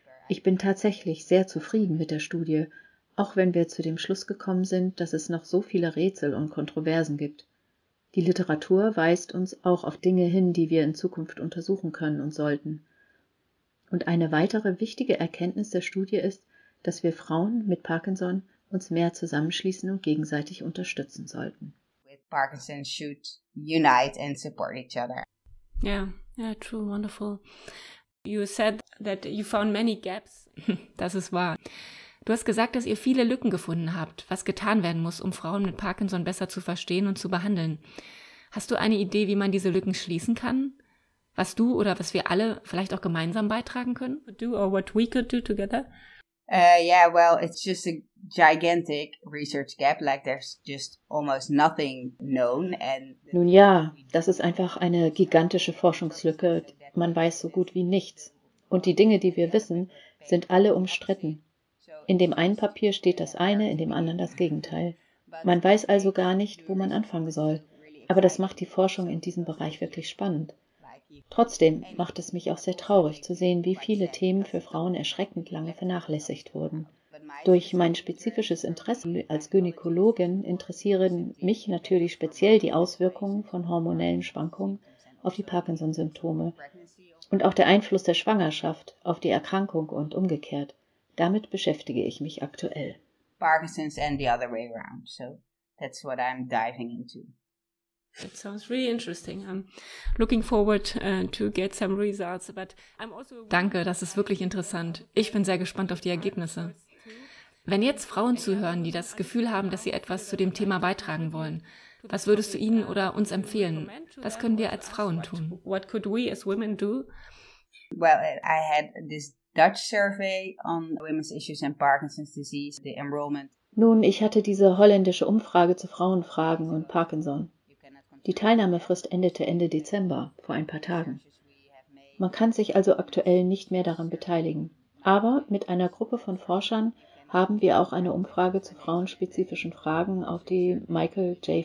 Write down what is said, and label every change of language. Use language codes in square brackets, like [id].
[de] Ich bin tatsächlich sehr zufrieden mit der Studie, auch wenn wir zu dem Schluss gekommen sind, dass es noch so viele Rätsel und Kontroversen gibt. Die Literatur weist uns auch auf Dinge hin, die wir in Zukunft untersuchen können und sollten. Und eine weitere wichtige Erkenntnis der Studie ist, dass wir Frauen mit Parkinson uns mehr zusammenschließen und gegenseitig unterstützen sollten. [en] With Parkinson should unite and support each other. Yeah, true, wonderful. You said that you found many gaps. [de] Das ist wahr. Du hast gesagt, dass ihr viele Lücken gefunden habt, was getan werden muss, um Frauen mit Parkinson besser zu verstehen und zu behandeln. Hast du eine Idee, wie man diese Lücken schließen kann? Was du oder was wir alle vielleicht auch gemeinsam beitragen können? [en] Do or what we could do together? Yeah, well, it's just a gigantic research gap, like there's just almost nothing known. [de] Nun ja, das ist einfach eine gigantische Forschungslücke. Man weiß so gut wie nichts. Und die Dinge, die wir wissen, sind alle umstritten. In dem einen Papier steht das eine, in dem anderen das Gegenteil. Man weiß also gar nicht, wo man anfangen soll. Aber das macht die Forschung in diesem Bereich wirklich spannend. Trotzdem macht es mich auch sehr traurig zu sehen, wie viele Themen für Frauen erschreckend lange vernachlässigt wurden. Durch mein spezifisches Interesse als Gynäkologin interessieren mich natürlich speziell die Auswirkungen von hormonellen Schwankungen auf die Parkinson-Symptome und auch der Einfluss der Schwangerschaft auf die Erkrankung und umgekehrt. Damit beschäftige ich mich aktuell. [en] Parkinson's and the other way around. So that's what I'm diving into. It sounds really interesting. I'm looking forward to get some results. But I'm also... [de] Danke, das ist wirklich interessant. Ich bin sehr gespannt auf die Ergebnisse. Wenn jetzt Frauen zuhören, die das Gefühl haben, dass sie etwas zu dem Thema beitragen wollen, was würdest du ihnen oder uns empfehlen? Was können wir als Frauen tun? [en] What could we as women do? Well, I had this Dutch survey on women's issues and Parkinson's disease, the enrollment. [de] Nun, ich hatte diese holländische Umfrage zu Frauenfragen und Parkinson. Die Teilnahmefrist endete Ende Dezember, vor ein paar Tagen. Man kann sich also aktuell nicht mehr daran beteiligen. Aber mit einer Gruppe von Forschern haben wir auch eine Umfrage zu frauenspezifischen Fragen auf die Michael J.